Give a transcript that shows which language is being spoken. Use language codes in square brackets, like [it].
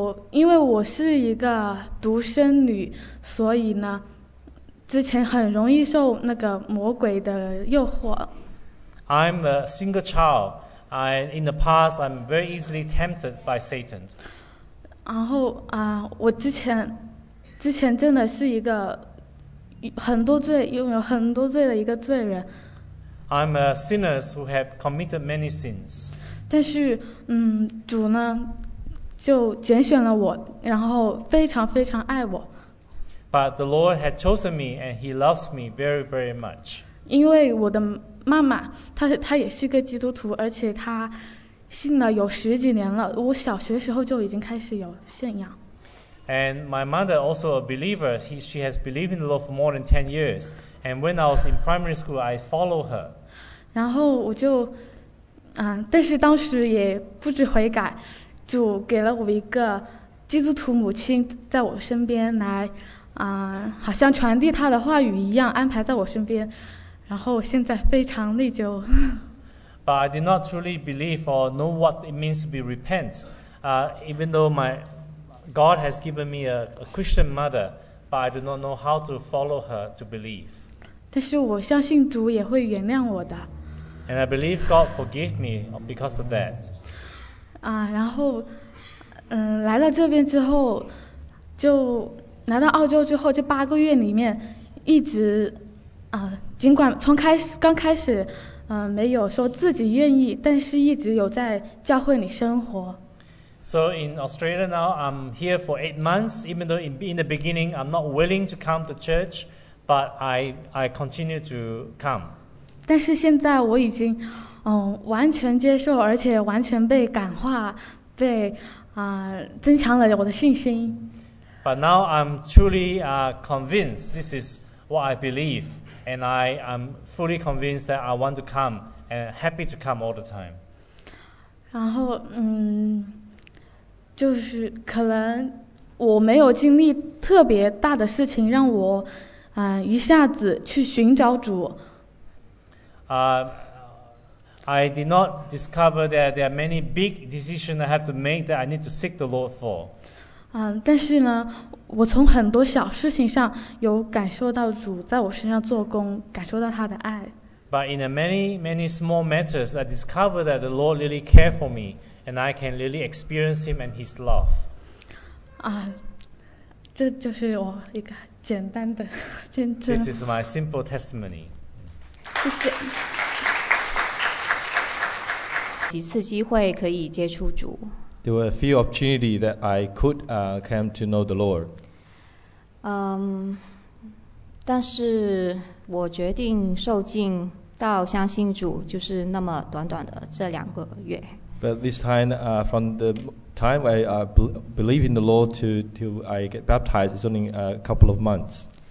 [zh] 因为我是一个独生女，所以呢，之前很容易受那个魔鬼的诱惑。 [en] I'm a single child. In the past, I'm very easily tempted by Satan. [zh] 然后我之前真的是一个很多罪，拥有很多罪的一个罪人。 [en] I'm a sinner who have committed many sins. [zh] 但是，主呢，就拣选了我，然后非常非常爱我。 [en] But the Lord had chosen me and He loves me very, very much. [zh] 因为我的妈妈，她也是个基督徒，而且她信了有十几年了。我小学时候就已经开始有信仰。 [en] And my mother, also a believer, she has believed in the Lord for more than 10 years. And when I was in primary school, I followed her. [zh] 然后我就，但是当时也不知悔改，主给了我一个基督徒母亲在我身边来，好像传递他的话语一样安排在我身边，然后我现在非常内疚。 [en] But I did not truly believe or know what it means to be repent, even though my God has given me a Christian mother, but I do not know how to follow her to believe. [zh] 但是我相信主也会原谅我的。 [en] And I believe God forgave me because of that. [zh] 然后，来到这边之后，就来到澳洲之后，这八个月里面，一直，尽管从开始刚开始，没有说自己愿意，但是一直有在教会里生活。 [en] So in Australia now, I'm here for 8 months, even though in the beginning, I'm not willing to come to church, but I continue to come. [zh] 但是现在我已经完全接受，而且完全被感化，被增强了我的信心。 [en] But now I'm truly convinced this is what I believe, and I am fully convinced that I want to come, and happy to come all the time. [zh] 然后就是可能我没有经历特别大的事情让我一下子去寻找主。 [en] I did not discover that there are many big decisions I have to make that I need to seek the Lord for. [zh] 但是呢，我从很多小事情上有感受到主在我身上做工，感受到他的爱。 [en] But in the many, many small matters, I discovered that the Lord really cared for me. And I can really experience him and his love. [zh] 这就是我一个简单的见证。 [en] This is my simple testimony. [zh] 谢谢。几次机会可以接触主。 [en] There were a few opportunities that I could come to know the Lord. [zh] 但是我决定受浸到相信主，就是那么短短的这两个月。 [en] But this time, from the time I believe in the Lord to I get baptized, it's only a couple of months.